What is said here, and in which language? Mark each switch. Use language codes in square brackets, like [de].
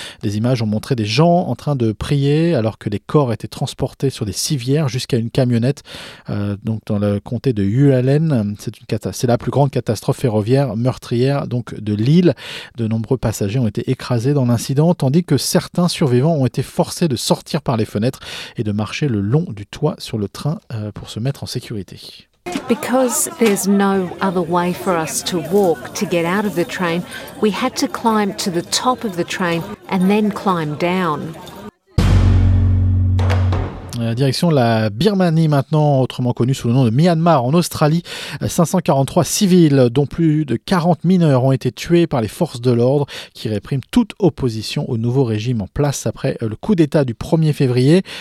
[fr] Des images ont montré des gens en train de prier alors que des corps étaient transportés sur des civières jusqu'à une camionnette donc dans le comté de Hualien. C'est la plus grande catastrophe ferroviaire meurtrière donc de l'île. De nombreux passagers ont été écrasés dans l'incident, tandis que certains survivants ont été forcés de sortir par les fenêtres et de marcher le long du toit sur le train pour se mettre en sécurité. [en] Because there's no other way for us to walk to get out of the train, we had to climb to the top of the train and then climb down. [fr] Direction la Birmanie maintenant, autrement connue sous le nom de Myanmar en Australie. 543 civils, dont plus de 40 mineurs, ont été tués par les forces de l'ordre qui répriment toute opposition au nouveau régime en place après le coup d'État du 1er février.